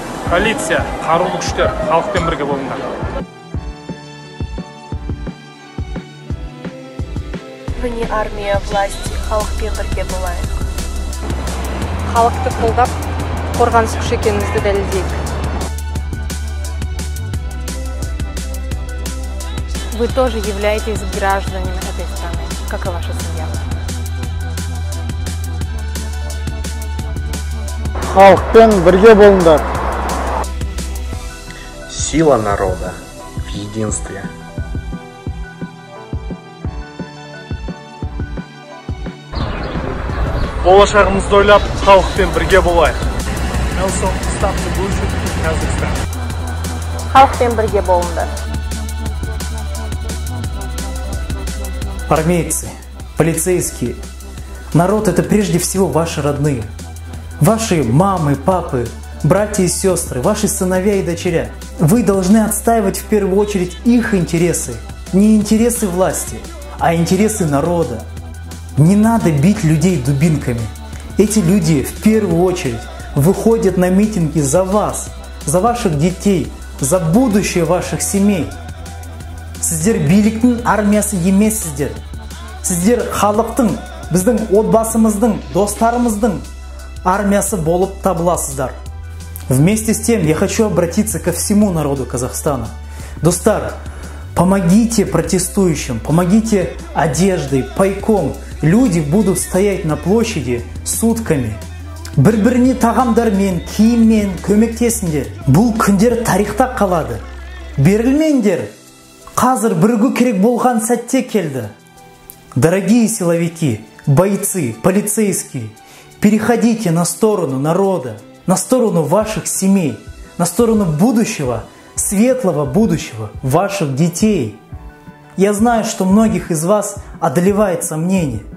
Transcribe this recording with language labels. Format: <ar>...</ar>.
<kk>Полиция, қарулы күштер, халықпен бірге болыңдар.</kk> <ru>Вы не армия власти,</ru> <kk>халықпен бірге болайық. Халықты қолдап, қорғаныс күші екенімізді дәлелдейік.</kk> <ru>Вы тоже являетесь гражданами этой страны, как и ваша семья.</ru> <kk>Халықпен бірге болыңдар.</kk> <ru>Сила народа в единстве.</ru> <kk>Болашағымызды ойлап, халықпен бірге болайық.</kk> <ru>Нелсон, ставьте больше, Казахстан.</ru> <kk>Халықпен бірге болыңдар.</kk> <ru>Армейцы, полицейские, народ – это прежде всего ваши родные. Ваши мамы, папы, братья и сестры, ваши сыновья и дочеря. Вы должны отстаивать в первую очередь их интересы. Не интересы власти, а интересы народа. Не надо бить людей дубинками. Эти люди в первую очередь выходят на митинги за вас, за ваших детей, за будущее ваших семей.</ru> <kk>Сіздер биліктің армиясы емессіздер. Сіздер халықтың, біздің отбасымыздың, достарымыздың армиясы болып табыласыздар.</kk> <ru>Вместе с тем я хочу обратиться ко всему народу Казахстана. Достар, помогите протестующим, помогите одеждой, пайком. Люди будут стоять на площади сутками.</ru> <kk>Бір-біріне тағамдармен, киіммен көмектесіндер. Бұл күндер тарихта қалады. Берілмендер. Қазір бірігу керек болған сәтте келді.</kk> <ru>Дорогие силовики, бойцы, полицейские, переходите на сторону народа, на сторону ваших семей, на сторону будущего, светлого будущего ваших детей. Я знаю, что многих из вас одолевает сомнение.</ru>